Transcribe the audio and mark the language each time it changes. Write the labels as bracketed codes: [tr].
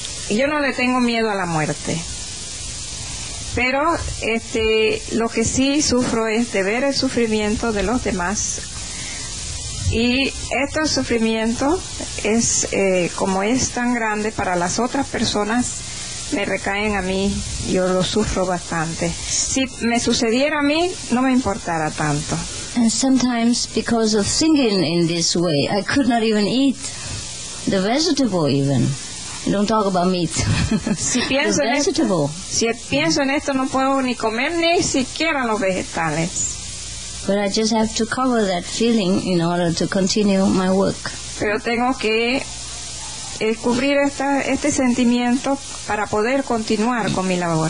[es] Yo no le tengo miedo a la muerte. Pero lo que sí sufro es de ver el sufrimiento de los demás. Y este sufrimiento es, como es tan grande para las otras personas, me recaen a mí, yo lo sufro bastante. Si me sucediera a mí, no me importara tanto. [en] And sometimes because of thinking in this way, I could not even eat the vegetable even. Don't talk about meat. [es] Si pienso [en] the vegetable. [es] Pienso en esto, no puedo ni comer ni siquiera los vegetales. [en] But I just have to cover that feeling in order to continue my work. [es] Pero tengo que cubrir este sentimiento para poder continuar con mi labor.